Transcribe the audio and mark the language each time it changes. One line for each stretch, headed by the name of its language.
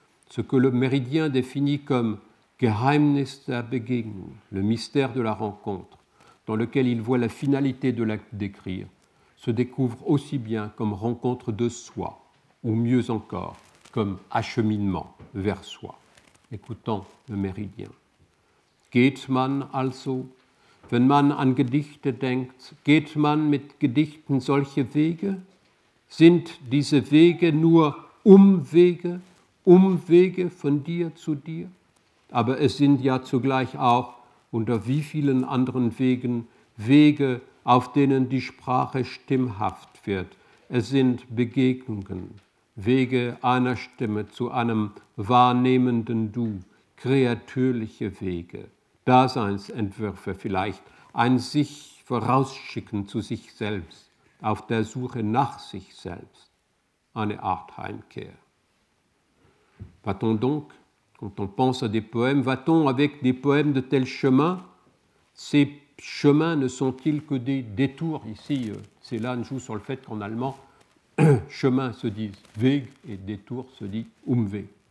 French: Ce que le méridien définit comme «
German: Geheimnis der Begegnung
French: », le mystère de la rencontre, dans lequel il voit la finalité de l'acte d'écrire, se découvre aussi bien comme rencontre de soi, ou mieux encore, comme acheminement vers soi. Écoutons le méridien.
German: Geht man also, wenn man an Gedichte denkt, geht man mit Gedichten solche Wege? Sind diese Wege nur Umwege, Umwege von dir zu dir? Aber es sind ja zugleich auch unter wie vielen anderen Wegen, Wege, auf denen die Sprache stimmhaft wird. Es sind Begegnungen, Wege einer Stimme zu einem wahrnehmenden Du, kreatürliche Wege, Daseinsentwürfe vielleicht, ein sich vorausschicken zu sich selbst, auf der Suche nach sich selbst, eine Art Heimkehr.
French: Va-t-on donc, quand on pense à des poèmes, va-t-on avec des poèmes de tel chemin? Ces chemins ne sont-ils que des détours? Ici, c'est là, on joue sur le fait qu'en allemand, chemin se dit Weg et détour se dit Umweg.